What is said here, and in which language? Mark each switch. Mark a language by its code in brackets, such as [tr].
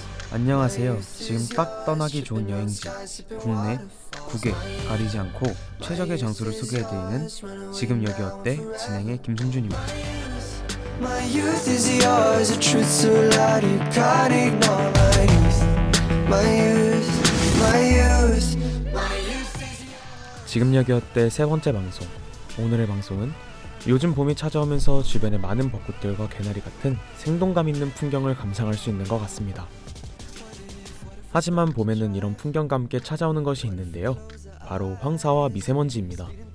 [ko] 안녕하세요. 지금 딱 떠나기 좋은 여행지, 국내, 국외 가리지 않고 최적의 장소를 소개해드리는 지금 여기 어때? 진행의 김승준입니다. [en] My youth is yours, the truth so loud you can't ignore my youth. My youth, my youth, my youth is yours. [ko] 지금 여기 어때? 세 번째 방송. 오늘의 방송은 요즘 봄이 찾아오면서 주변의 많은 벚꽃들과 개나리 같은 생동감 있는 풍경을 감상할 수 있는 것 같습니다. 하지만 봄에는 이런 풍경과 함께 찾아오는 것이 있는데요. 바로 황사와 미세먼지입니다.